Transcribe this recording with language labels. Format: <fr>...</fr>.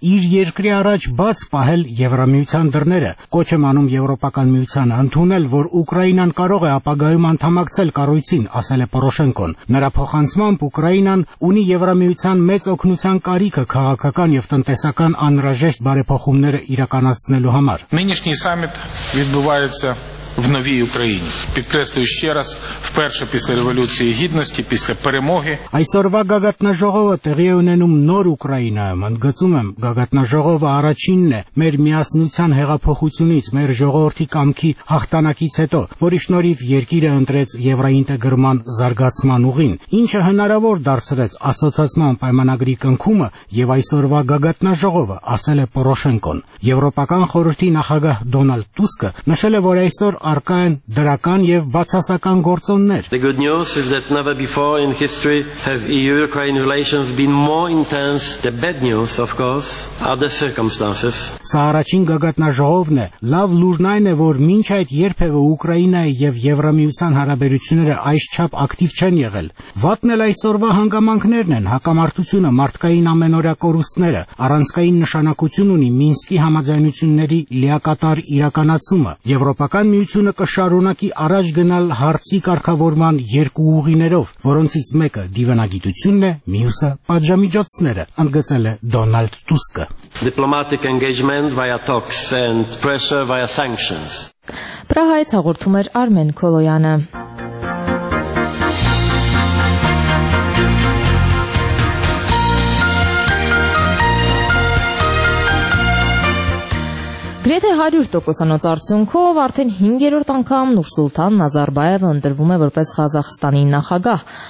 <hy>իր երկրի առաջ բաց պահել Եվրամիության դռները, կոչ եմ անում Եվրոպական միությանը ընդունել, որ Ուկրաինան կարող է ապագայում անդամակցել կառույցին, ասել է Պորոշենկոն։ Նրա փոխանցմամբ Ուկրաինան ունի Եվրամիության մեծ օգնության կարիքը քաղաքական և տնտեսական անհրաժեշտ բարեփոխումները իրականացնելու համար։</hy> <uk>Відбувається в новій Україні. Підкреслюю ще раз, вперше після революції гідності, після перемоги.</uk> <hy>Այսօրվա գագաթնաժողովը տեղի է ունենում նոր Ուկրաինայում։ Ընդգծում եմ, գագաթնաժողովը առաջինն է մեր միասնության հեղափոխությունից, մեր ժողովրդի կամքի հաղթանակից հետո, որի շնորհիվ երկիրը ընտրեց եվրոինտեգրման զարգացման ուղին, ինչը հնարավոր դարձրեց ասոցացման պայմանագրի կնքումը և այսօրվա գագաթնաժողովը, ասել է Պորոշենկոն։ Եվրոպական խորհրդի նախագահ Դոնալդ Տուսկը նշել է, որ այսօր առկա են դրական եւ բացասական գործոններ։</hy> <en>The good news is that never before in history have EU-Ukraine relations been more intense. The bad news, of course, are the circumstances.</en> <hy>Սա առաջին գագաթնաժողովն է։ Լավ լուրն այն է, որ մինչ այդ երբևէ Ուկրաինայի եւ Եվրամիության հարաբերությունները այսչափ ակտիվ չեն եղել։ Վատն էլ այսօրվա հանգամանքներն են՝ հակամարտությունը, մարդկային ամենօրյա կորուստները, առանցքային նշանակություն ունի Մինսկի համաձայնությունների լիակատար իրականացումը։ Եվրոպական միությունը կշարունակի առաջ գնալ հարցի կարգավորման երկու ուղիներով, որոնցից մեկը դիվանագիտությունն է, մյուսը պատժամիջոցները, ընդգծել է Դոնալդ Տուսկը։</hy> <en>Diplomatic engagement via talks and pressure via sanctions.</en> <hy>Պրահայից հաղորդում էր Արմեն Քոլոյանը։ Գրեթե 100% անոց արդյունքով արդեն 5-րդ անգամ Նուրսուլթան Նազարբայևը ընտրվում է որպես Ղազախստանի նախագահ։</hy>